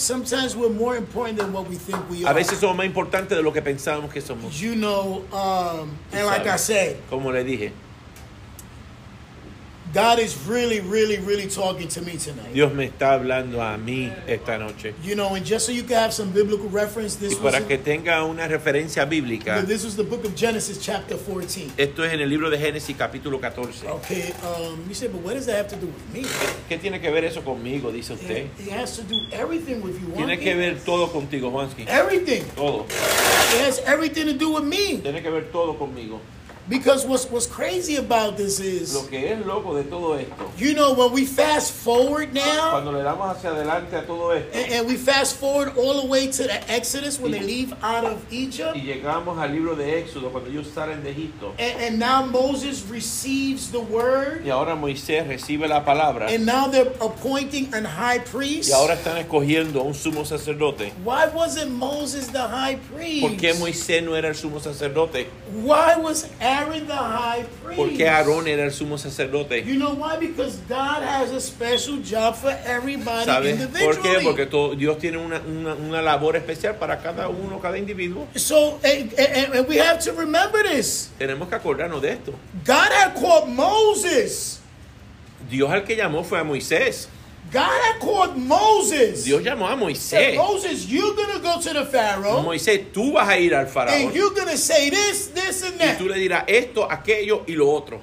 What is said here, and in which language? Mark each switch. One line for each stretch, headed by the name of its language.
English: Sometimes we're more important than what we think we are.
Spanish: A veces somos más importantes de lo que pensamos que somos.
English: You know, and like I said,
Spanish: como le dije,
English: God is really, really, really talking to me tonight.
Spanish: Dios me está hablando a mí esta noche.
English: You know, and just so you can have some biblical reference, this
Spanish: y para
English: was
Spanish: que tenga una referencia bíblica,
English: this was the book of Genesis chapter 14.
Spanish: Esto es en el libro de Génesis capítulo 14.
English: Okay, you say, but what does that have to do with me?
Spanish: ¿Qué tiene que ver eso conmigo, dice usted?
English: It has to do everything with you, Juanqui.
Spanish: Tiene que ver todo contigo, Juanqui.
English: Everything.
Spanish: Todo.
English: It has everything to do with me.
Spanish: Tiene que ver todo conmigo.
English: Because what's crazy about this is,
Spanish: lo que es loco de todo esto,
English: you know, when we fast forward now,
Spanish: cuando le damos hacia adelante a todo esto,
English: and we fast forward all the way to the Exodus when they leave out of Egypt,
Spanish: y llegamos al libro de Éxodo, cuando ellos salen de Egipto,
English: and now Moses receives the word,
Spanish: y ahora Moisés recibe la palabra,
English: and now they're appointing a high priest,
Spanish: y ahora están escogiendo un sumo sacerdote.
English: Why wasn't Moses the high priest?
Spanish: ¿Por qué Moisés no era el sumo sacerdote?
English: Why was Aaron the high priest?
Spanish: ¿Por qué Aarón era el sumo sacerdote?
English: You know why? Because God has a special job for everybody
Spanish: ¿sabes?
English: Individually.
Spanish: ¿Por qué? Porque Dios tiene una labor especial para cada uno, cada individuo.
English: So, and we have to remember this.
Spanish: Tenemos que acordarnos de esto.
English: God had called Moses.
Spanish: Dios al que llamó fue a Moisés.
English: God had called Moses.
Spanish: Dios llamó a Moisés.
English: Said, Moses, you're going to go to the Pharaoh.
Spanish: Moisés, tú vas a ir al faraón.
English: And you're going to say this, this, and that.
Spanish: Y tú le dirás esto, aquello y lo otro.